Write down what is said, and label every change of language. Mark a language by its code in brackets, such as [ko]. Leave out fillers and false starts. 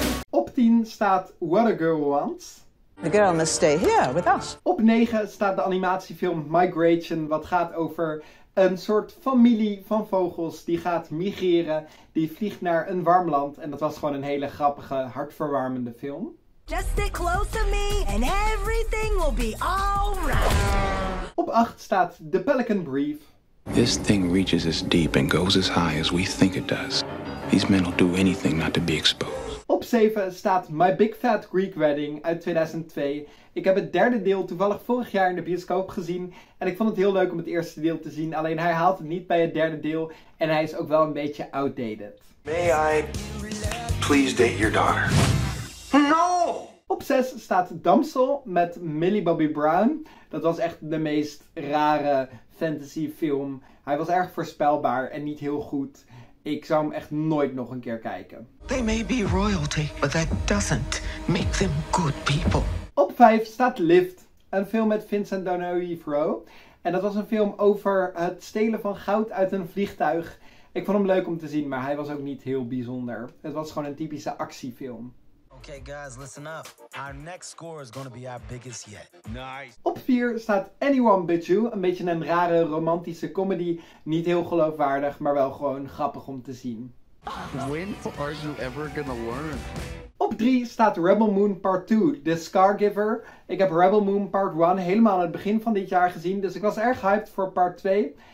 [nl] Op 10 staat What a Girl Wants. [en] The girl must stay here with us. [nl] Op 9 staat de animatiefilm Migration, wat gaat over een soort familie van vogels die gaat migreren. Die vliegt naar een warm land en dat was gewoon een hele grappige, hartverwarmende film. [en] Just stick close to me and everything will be alright. [nl] Op 8 staat [en] The Pelican Brief. This thing reaches as deep and goes as high as we think it does. These men will do anything not to be exposed. [nl] Op 7 staat My Big Fat Greek Wedding uit 2002. Ik heb het derde deel toevallig vorig jaar in de bioscoop gezien. En ik vond het heel leuk om het eerste deel te zien. Alleen hij haalt het niet bij het derde deel. En hij is ook wel een beetje outdated. [en] May I please date your daughter? No! [nl] Op 6 staat Damsel met Millie Bobby Brown. Dat was echt de meest rare fantasy film. Hij was erg voorspelbaar en niet heel goed. Ik zou hem echt nooit nog een keer kijken. [en] They may be royalty, but that doesn't make them good people. [nl] Op 5 staat Lift, een film met Vincent D'Onofrio. En dat was een film over het stelen van goud uit een vliegtuig. Ik vond hem leuk om te zien, maar hij was ook niet heel bijzonder. Het was gewoon een typische actiefilm. [en] Okay guys, listen up. Our next score is gonna be our biggest yet. [nl] Nice. Op 4 staat Anyone But You. Een beetje een rare romantische comedy. Niet heel geloofwaardig, maar wel gewoon grappig om te zien. [en] When are you ever gonna learn? [nl] Op 3 staat Rebel Moon Part 2, The Scargiver. Ik heb Rebel Moon Part 1 helemaal aan het begin van dit jaar gezien. Dus ik was erg hyped voor Part 2.